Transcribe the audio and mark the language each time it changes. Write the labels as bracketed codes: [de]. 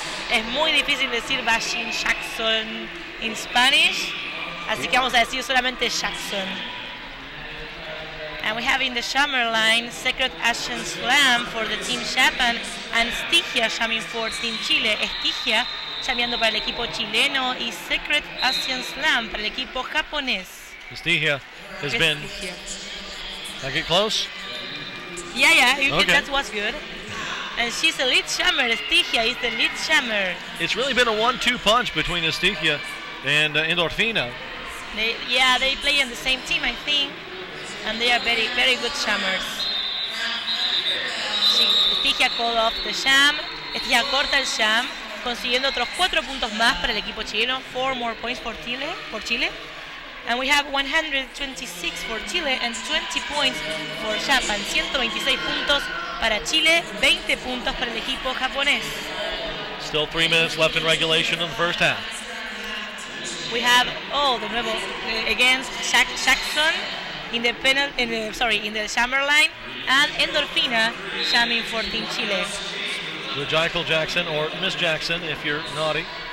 [es] Es muy difícil decir Bashir Jackson [en] in Spanish. [es] Así que vamos a decir solamente Jackson. [en] And we have in the Shammer line, Secret Ashen Slam for the Team Japan and Stygia Shamming for Team Chile. [es] Stygia Shamming para el equipo chileno y Secret Ashen Slam para el equipo japonés. [en] Stygia has been... Can I get close? Yeah, okay. That was good. And she's a lead Shammer. Stygia is the lead Shammer. It's really been a 1-2 punch between Stygia and Endorfina. They play on the same team, I think. And they are very, very good jammers. Stygia called off the jam. [es] Stygia corta el jam, consiguiendo otros 4 puntos más para el equipo chileno. [en] 4 more points for Chile. And we have 126 for Chile and 20 points for Japan. [es] 126 puntos para Chile, 20 puntos para el equipo japonés. [en] Still 3 minutes left in regulation in the first half. We have, [es] de nuevo, [en] against Jackson. In the jammer line, and Endorfina jamming for Team Chile. The Jaikal Jackson, or Miss Jackson, if you're naughty.